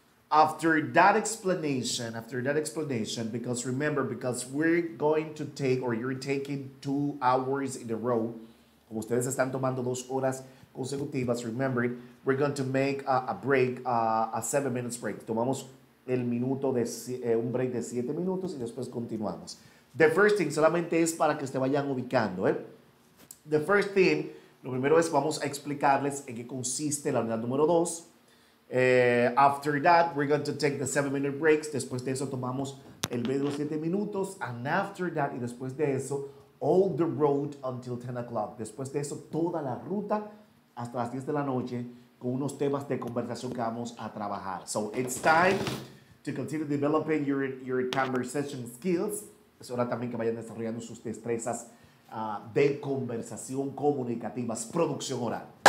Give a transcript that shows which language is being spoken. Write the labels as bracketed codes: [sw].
[en] After that explanation, because remember, because we're going to take, or you're taking 2 hours in a row, [es] como ustedes están tomando 2 horas consecutivas, [en] remember, we're going to make a 7 minutes break. [es] Tomamos el minuto de un break de 7 minutos y después continuamos. [en] The first thing, [es] solamente es para que se vayan ubicando, ¿eh? The first thing, lo primero es vamos a explicarles en qué consiste la unidad número 2. [en] After that, we're going to take the 7 minute breaks. [es] Después de eso, tomamos el B de los 7 minutos. [en] And after that, [es] y después de eso, [en] all the road until 10 o'clock. [es] Después de eso, toda la ruta hasta las 10 de la noche con unos temas de conversación que vamos a trabajar. [en] So it's time to continue developing your conversation skills. [es] Es hora también que vayan desarrollando sus destrezas de conversación comunicativas, producción oral.